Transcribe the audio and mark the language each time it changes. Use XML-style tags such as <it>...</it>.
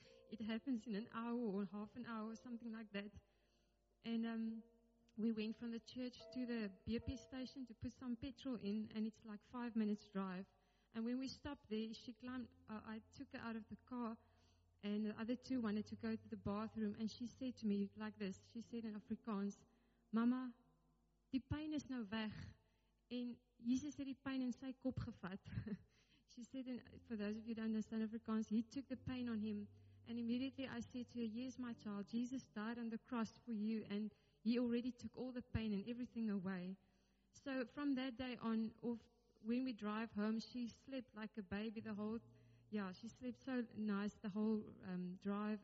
<en>It happens in an hour or half an hour or something like that. And we went from the church to the BP station to put some petrol in, and it's like 5 minutes drive. And when we stopped there, she climbed, I took her out of the car, and the other two wanted to go to the bathroom, and she said to me like this, she said in Afrikaans,</en> <af>Mama, die pijn is nou weg. En Jesus het die pijn in sy kop gevat.</af> <en>She said, and for those of you who don't understand Afrikaans, he took the pain on him. And immediately I said to her, yes, my child, Jesus died on the cross for you. And he already took all the pain and everything away. So from that day on, when we drive home, she slept like a baby the whole, she slept so nice the whole drive.</en>